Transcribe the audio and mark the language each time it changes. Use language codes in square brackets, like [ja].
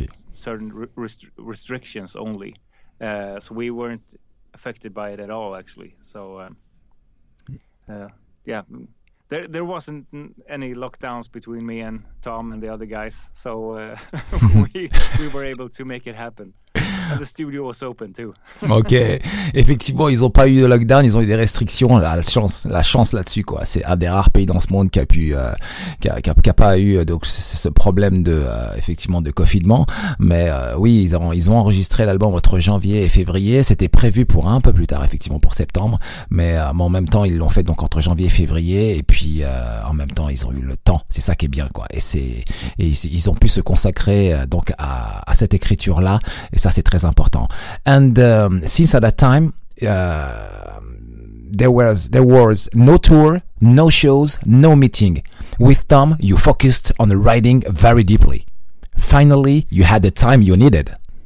[en] Certain restrictions only, so we weren't affected by it at all, actually. So there wasn't any lockdowns between me and Tom and the other guys, so we were able to make it happen. The studio was open too. [fr] Ok, effectivement, ils n'ont pas eu de lockdown, ils ont eu des restrictions. La chance là-dessus, quoi. C'est un des rares pays dans ce monde qui a pu, qui a pas eu donc ce problème de, effectivement, de confinement. Mais oui, ils ont enregistré l'album entre janvier et février. C'était prévu pour un peu plus tard, effectivement, pour septembre. Mais en même temps, ils l'ont fait donc entre janvier et février. Et puis en même temps, ils ont eu le temps. C'est ça qui est bien, quoi. Et ils ont pu se consacrer donc à cette écriture là. Et ça, c'est très important. [en] And since at that time, there was no tour, no shows, no meeting. With Tom, you focused on writing very deeply. Finally, you had the time you needed.